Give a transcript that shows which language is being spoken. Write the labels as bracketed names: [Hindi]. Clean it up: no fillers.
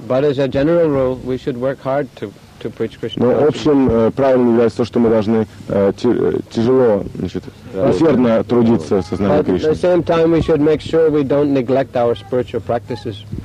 [English] But as a general rule, we should work hard to preach Krishna. [Russian] Но общим правилом является то, что мы должны тяжело, значит, усердно трудиться со знанием Кришны. [English] At the same time, we should make sure we don't neglect our spiritual practices.